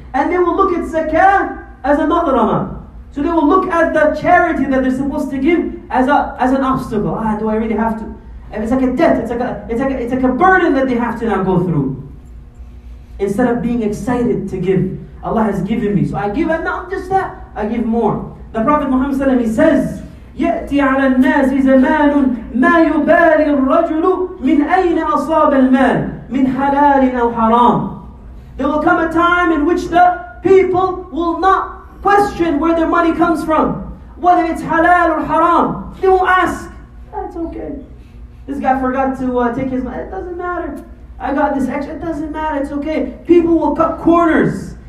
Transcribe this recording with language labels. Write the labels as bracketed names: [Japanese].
[English] And they will look at zakah as a madrama. So they will look at the charity that they're supposed to give as an obstacle. Do I really have to? And it's like a debt, it's like a burden that they have to now go through. Instead of being excited to give, Allah has given me. So I give, and not just that, I give more. The Prophet Muhammad ﷺ, he says, [Arabic] يَأْتِي عَلَى النَّاسِ زَمَانٌ مَا يُبَالِي الرَّجُلُ مِنْ أَيْنَ أَصَابَ الْمَالِ مِنْ حَلَالٍ أَوْ حَرَامٍ. [English] There will come a time in which the people will not question where their money comes from, whether it's halal or haram. They will ask, that's okay. This guy forgot to take his money, it doesn't matter. I got this extra, it doesn't matter, it's okay. People will cut corners.